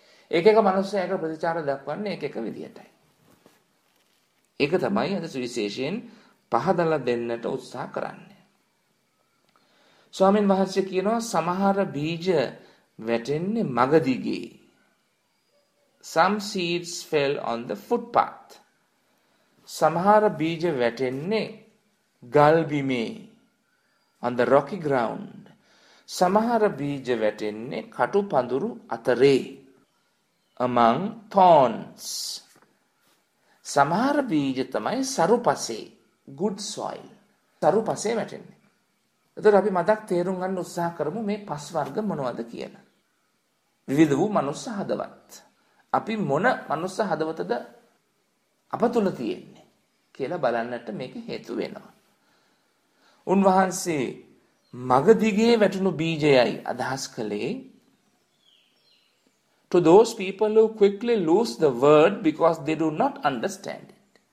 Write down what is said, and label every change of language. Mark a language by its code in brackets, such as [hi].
[si] එක එක මනුස්සයා ඒක ප්‍රතිචාර දක්වන්නේ එක එක විදිහටයි. ඒක තමයි අද සුවිශේෂයෙන් පහදලා දෙන්නට උත්සාහ කරන්නේ. ස්වාමීන් වහන්සේ කියනවා සමහර බීජ වැටෙන්නේ මගදිගේ. [en] Some seeds fell on the footpath. [si] සමහර බීජ වැටෙන්නේ ගල් බිමේ. [en] On the rocky ground. [si] සමහර බීජ වැටෙන්නේ කටුපඳුරු අතරේ. [en] Among thorns. [si] සමහර බීජ තමයි සරුපසේ. [en] Good soil. [si] සරුපසේ වැටෙන්නේ. එතකොට අපි මතක් තේරුම් ගන්න උත්සාහ කරමු මේ පස් වර්ග මොනවද කියලා. විවිධ වූ මනුස්ස හදවත්. අපි මොන මනුස්ස හදවතද අප තුල තියෙන්නේ කියලා බලන්නට මේක හේතු වෙනවා. උන්වහන්සේ මගදිගේ වැටුණු බීජයයි අදහස් කළේ [en] to those people who quickly lose the word because they do not understand it.